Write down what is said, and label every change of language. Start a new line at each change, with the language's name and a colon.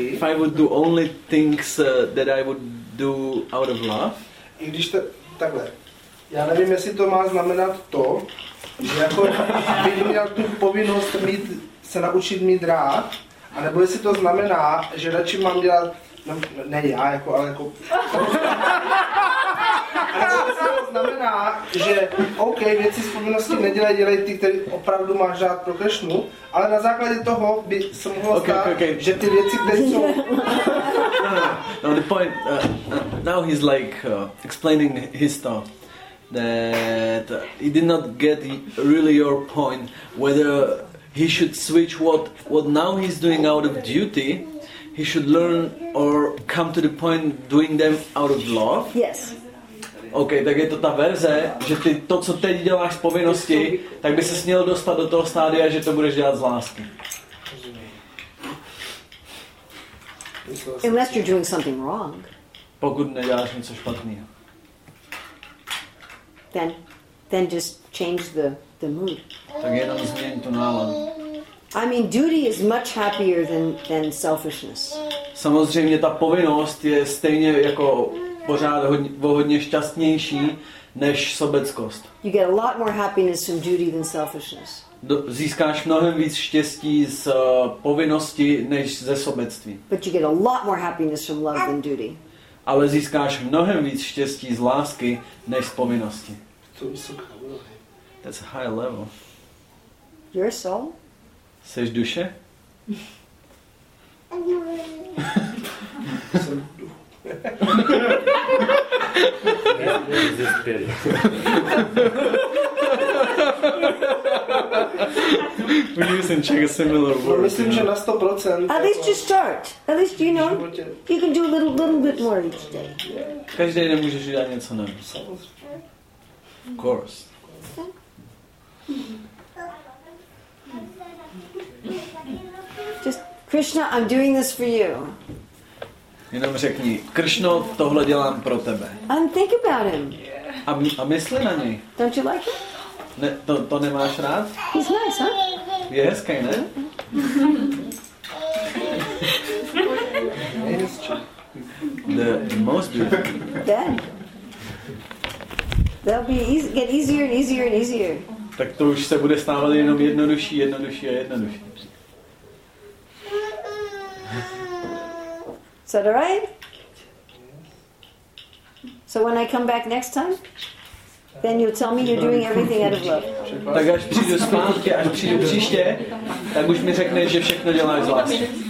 English: if I would do only things that I would do out of love.
Czech: I když takhle, já nevím, jestli to má znamenat to, jako bych měl tu povinnost mít, se naučit mít rád, anebo jestli to znamená, že radši mám dělat, no, ne já, jako, ale jako... Anebo to znamená, že OK, věci z povinnosti nedělej, dělej ty, který opravdu máš rád pro Krishnu, ale na základě toho by se mohlo stát, že ty věci, které jsou...
English: No, the point, now he's like explaining his thought. That he did not get really your point whether he should switch what now he's doing out of duty, he should learn or come to the point doing them out of love. Yes.
Czech: Okay, tak je to ta verze, že ty to, co teď děláš z povinnosti, tak by ses měl dostat do toho stádia, že to budeš dělat z lásky.
English: Unless you're doing something wrong.
Czech: Pokud neděláš něco špatného.
English: Then just change the mood.
Czech: Tak jenom změň tu náladu.
English: I mean, duty is much happier than selfishness.
Czech: Samozřejmě ta povinnost je stejně jako pořád hodně šťastnější než sobeckost.
English: You get a lot more happiness from duty than selfishness.
Czech: Získáš mnohem víc štěstí z povinnosti než ze sobectví.
English: But you get a lot more happiness from love than duty.
Czech: Ale získáš mnohem víc štěstí z lásky než z povinnosti. To je vysoká úroveň.
English: That's a high level. Your soul?
Czech: Seš duše? Jsem duch. Jsem
English: We're using check a similar word. We're using 100%. At least you start. At least you know. You can do a little bit more each day.
Czech: Každý den můžeš dělat něco nám.
English: Of course. Just, Krishna, I'm doing this for you.
Czech: Jenom řekni, Krishna, tohle dělám pro tebe.
English: And think about him.
Czech: A mysli na něj.
English: Don't you like him?
Czech: Ne, to nemáš rád?
English: He's nice, huh?
Czech: Je hezký, ne?
English: The most beautiful. Then. That'll be get easier and easier and easier.
Czech: Tak to už se bude stávat jenom jednodušší, jednodušší a jednodušší.
English: Is that all right? So when I come back next time? Then you'll tell me you're doing everything out of love.
Czech: Tak až přijdu zpátky, až přijdu příště, tak už mi řekneš, že všechno děláš z lásky.